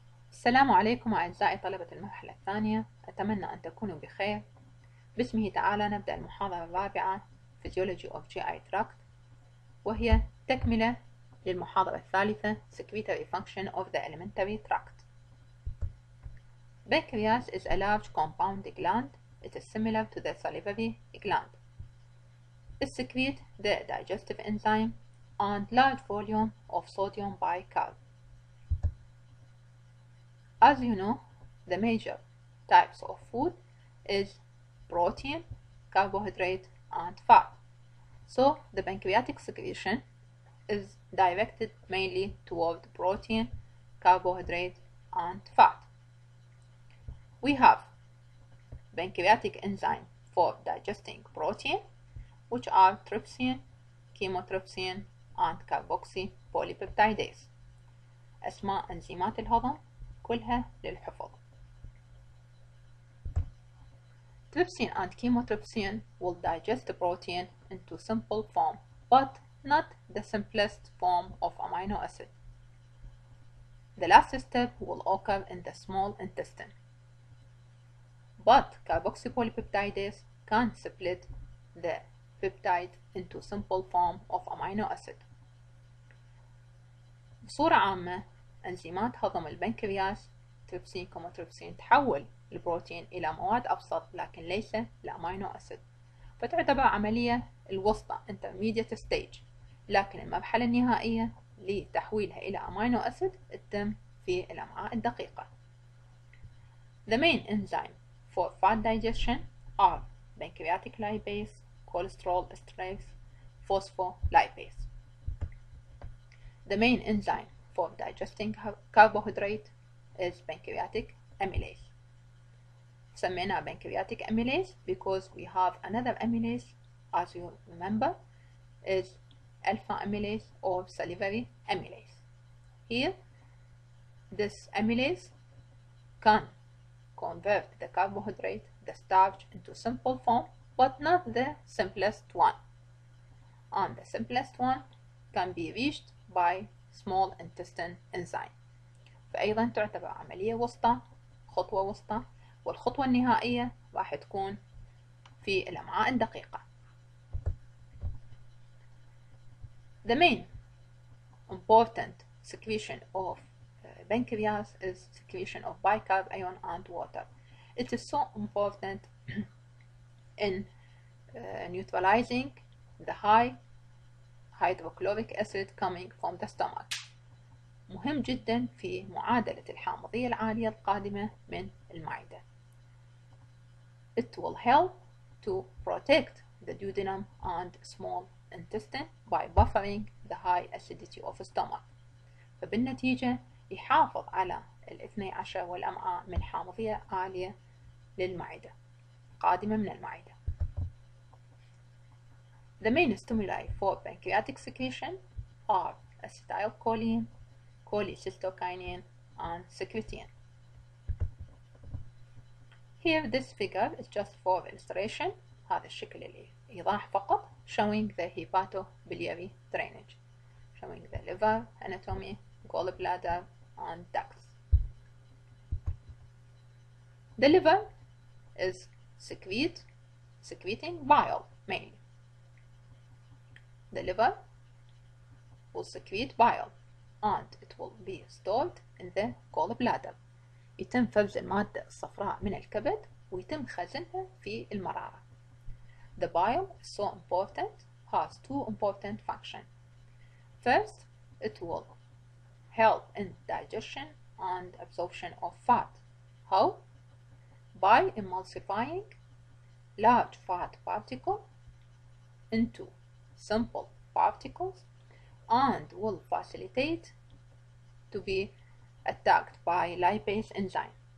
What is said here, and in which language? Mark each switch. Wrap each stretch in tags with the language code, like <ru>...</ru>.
<ar>السلام عليكم أعزائي طلبة المرحلة الثانية، أتمنى أن تكونوا بخير. باسمه تعالى نبدأ المحاضرة الرابعة Physiology of GI Tract، وهي تكملة للمحاضرة الثالثة Secretory Function of the Alimentary Tract.</ar> <en>Pancreas is a large compound gland. It is similar to the salivary gland. It secretes the digestive enzyme and large volume of sodium bicarb. As you know, the major types of food is protein, carbohydrate, and fat. So the pancreatic secretion is directed mainly toward protein, carbohydrate, and fat. We have pancreatic enzyme for digesting protein, which are trypsin, chemotrypsin, and carboxypolypeptidase.</en> <ar>أسماء انزيمات الهضم كلها للحفظ.</ar> <en>Trypsin and chemotrypsin will digest the protein into simple form, but not the simplest form of amino acid. The last step will occur in the small intestine. But carboxypolypeptidase can split the peptide into simple form of amino acid.</en> <ar>بصورة عامة، أنزيمات هضم البنكرياس تريبسين كوموتريبسين تحول البروتين إلى مواد أبسط لكن ليس لأمينو أسيد، فتعتبر عملية الوسطى</ar> <en>intermediate stage،</en> <ar>لكن المرحلة النهائية لتحويلها إلى أمينو أسيد تتم في الأمعاء الدقيقة.</ar> <en>The main enzyme for fat digestion are pancreatic lipase, cholesterol esterase, phospholipase. The main enzyme for digesting carbohydrate is pancreatic amylase.</en> <ar>سمينا</ar> <en>pancreatic amylase because we have another amylase, as you remember, is alpha amylase or salivary amylase. Here, this amylase can convert the carbohydrate, the starch, into simple form, but not the simplest one. And the simplest one can be reached by small intestine enzyme.</en> <ar>فأيضا تعتبر عملية وسطى، خطوة وسطى، والخطوة النهائية راح تكون في الأمعاء الدقيقة.</ar> <en>The main important secretion of pancreas is secretion of bicarb, ion, and water. It is so important in neutralizing the high hydrochloric acid coming from the stomach.</en> <ar>مهم جدا في معادلة الحامضية العالية القادمة من المعدة.</ar> <en>It will help to protect the duodenum and small intestine by buffering the high acidity of the stomach.</en> <ar>فبالنتيجة يحافظ على الاثني عشر والأمعاء من حامضية عالية للمعدة قادمة من المعدة.</ar> <en>The main stimuli for pancreatic secretion are acetylcholine, cholecystokinin, and secretin. Here, this figure is just for illustration.</en> <ar>هذا الشكل الإيضاح فقط,</ar> <en>showing the hepatobiliary drainage, showing the liver anatomy, gallbladder, and ducts. The liver is secreting bile mainly. The liver will secrete bile, and it will be stored in the gallbladder.</en> <ar>يتم فرز المادة الصفراء من الكبد ويتم خزنها في المرارة.</ar> <en>The bile is so important, has two important functions. First, it will help in digestion and absorption of fat. How? By emulsifying large fat particles into simple particles, and will facilitate to be attacked by lipase enzyme.</en>